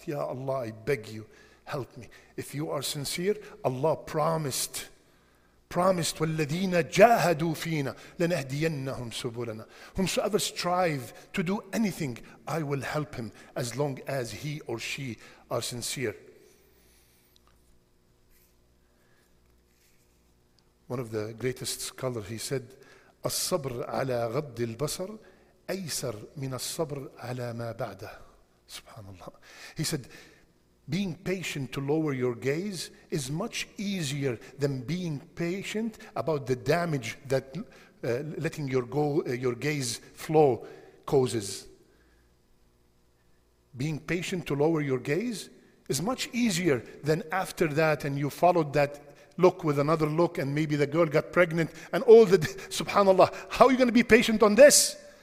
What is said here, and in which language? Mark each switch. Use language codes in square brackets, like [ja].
[en] Ya Allah, I beg you, help me. If you are sincere, Allah promised, [ar] وَالَّذِينَ جَاهَدُوا فِينا لَنَهْدِيَنَّهُمْ سُبُلَنَا. [en] Whomsoever strive to do anything, I will help him as long as he or she are sincere. One of the greatest scholars, he said, [ar] الصبر على غض البصر أيسر من الصبر على ما بعده. Subhanallah. [en] He said, being patient to lower your gaze is much easier than being patient about the damage that letting your gaze flow causes. Being patient to lower your gaze is much easier than after that, and you followed that look with another look, and maybe the girl got pregnant, and all the subhanallah, how are you going to be patient on this?